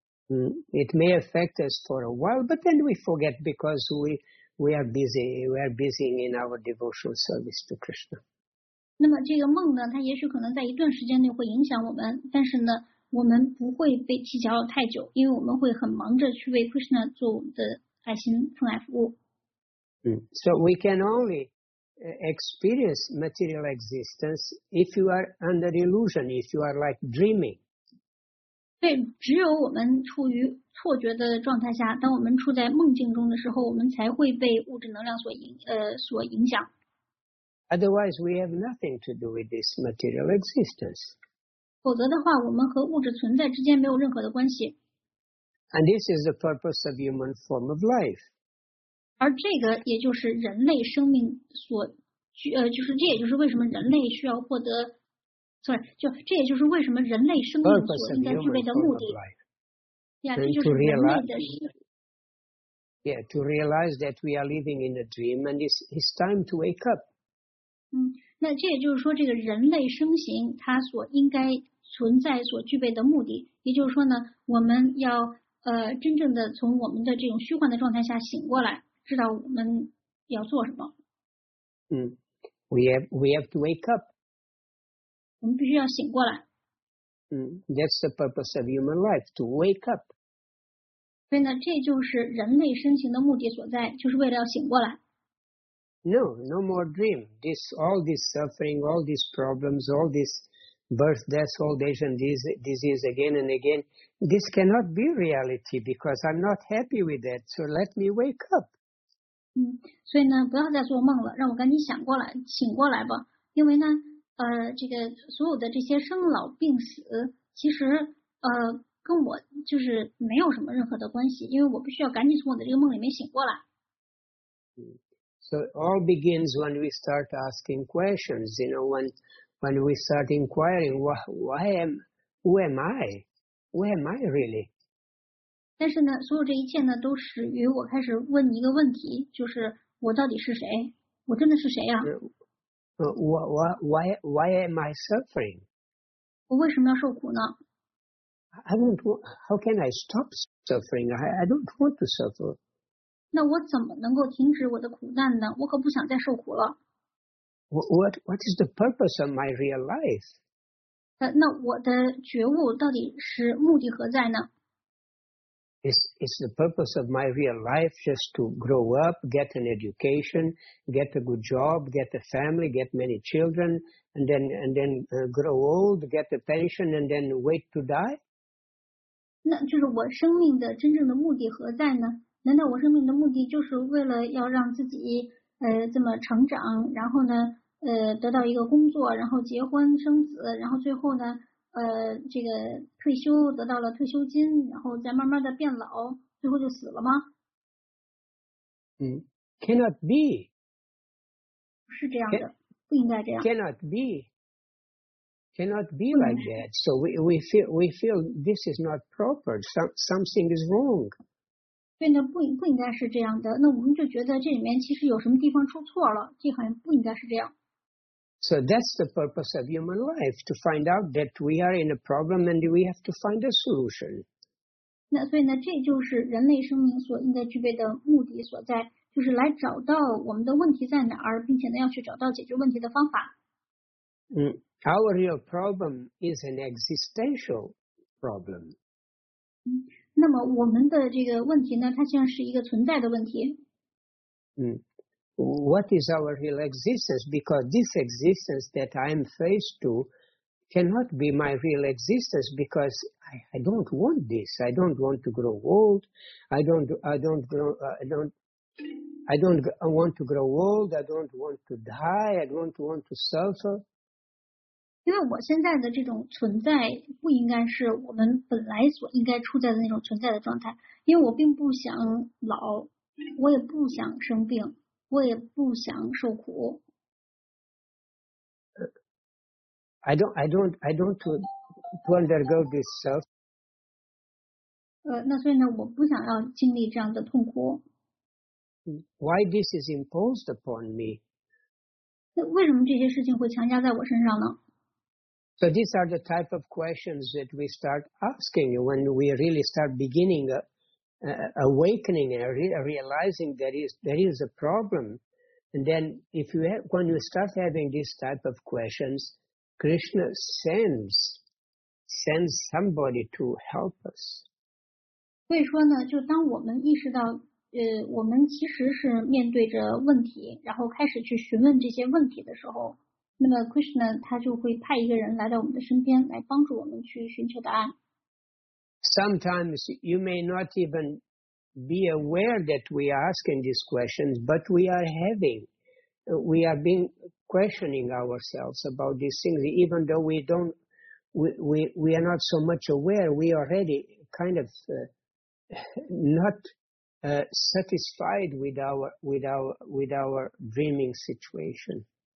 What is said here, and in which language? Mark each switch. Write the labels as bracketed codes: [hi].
[en] It may affect us for a while, but then we forget because we are busy. We are busy in our devotional service to Krishna. [zh] 那么这个梦呢，它也许可能在一段时间内会影响我们，但是呢，我们不会被提搅扰太久，因为我们会很忙着去为 Krishna 做我们的爱心奉爱服务。 [en] So we can only experience material existence if you are under illusion, if you are like dreaming. [zh] 对，只有我们处于错觉的状态下，当我们处在梦境中的时候，我们才会被物质能量所影响。 [en] Otherwise, we have nothing to do with this material existence. [zh] 否则的话，我们和物质存在之间没有任何的关系。 [en] And this is the purpose of human form of life. [zh] 而这个也就是人类生命所就是这也就是为什么人类需要获得 ， [en] sorry， [zh] 就这也就是为什么人类生命所应该具备的目的。 [en] To realize that we are living in a dream, and it's time to wake up. [zh] 那这也就是说，这个人类生形它所应该存在、所具备的目的，也就是说呢，我们要真正的从我们的这种虚幻的状态下醒过来，知道我们要做什么。 [en] We have to wake up. [zh] 我们必须要醒过来。 [en] That's the purpose of human life, to wake up. [zh] 所以呢，这就是人类生形的目的所在，就是为了要醒过来。 [en] No more dream. All this suffering, all these problems, all this birth, death, old age, and disease again and again, this cannot be reality because I'm not happy with that. So let me wake up. [zh] 所以呢，不要再做梦了，让我赶紧想过来，醒过来吧。因为呢，这个所有的这些生老病死，其实跟我就是没有什么任何的关系，因为我必须要赶紧从我的这个梦里面醒过来。 [en] So it all begins when we start asking questions, you know, when we start inquiring, who am I? Who am I really? [zh] 但是呢，所有这一切呢，都始于我开始问一个问题，就是我到底是谁？我真的是谁啊？ [en] Why am I suffering? [zh] 我为什么要受苦呢？ [en] How can I stop suffering? I don't want to suffer. [zh] 那我怎么能够停止我的苦难呢？我可不想再受苦了。 [en] What is the purpose of my real life? [zh] 那我的觉悟到底是目的何在呢？ [en] Is the purpose of my real life just to grow up, get an education, get a good job, get a family, get many children, and then grow old, get a pension, and then wait to die? [zh] 那就是我生命的真正的目的何在呢？难道我生命的目的就是为了要让自己这么成长，然后呢得到一个工作，然后结婚生子，然后最后呢这个退休，得到了退休金，然后再慢慢的变老，最后就死了吗？ [en] Cannot be. [zh] 是这样的，不应该这样。 [en] Cannot be like that. So we feel this is not proper. Something is wrong. [zh] 对呢，不应该是这样的。那我们就觉得这里面其实有什么地方出错了，这好像不应该是这样。 [en] So that's the purpose of human life, to find out that we are in a problem and we have to find a solution. [zh] 那所以呢，这就是人类生命所应该具备的目的所在，就是来找到我们的问题在哪儿，并且呢要去找到解决问题的方法。 [en] Our real problem is an existential problem. [zh] 那么我们的这个问题呢，它像是一个存在的问题。 [en] What is our real existence? Because this existence that I am faced to cannot be my real existence because I don't want this. I don't want to grow old. I don't want to grow old. I don't want to die. I don't want to suffer. [zh] 因为我现在的这种存在不应该是我们本来所应该处在的那种存在的状态，因为我并不想老，我也不想生病。我也不想受苦。 [en] I don't undergo this self. [zh] 那所以呢，我不想要经历这样的痛苦。 [en] Why this is imposed upon me? [zh] 那为什么这些事情会强加在我身上呢？ [en] So these are the type of questions that we start asking when we really start beginning awakening and realizing there is a problem. And then when you start having these type of questions, Krishna sends somebody to help us. [zh] 所以说呢，就当我们意识到，我们其实是面对着问题，然后开始去询问这些问题的时候，那么 Krishna 他就会派一个人来到我们的身边，来帮助我们去寻求答案。 [en] Sometimes you may not even be aware that we are asking these questions, but we are being questioning ourselves about these things, even though we are not so much aware. We already kind of not satisfied with our dreaming situation.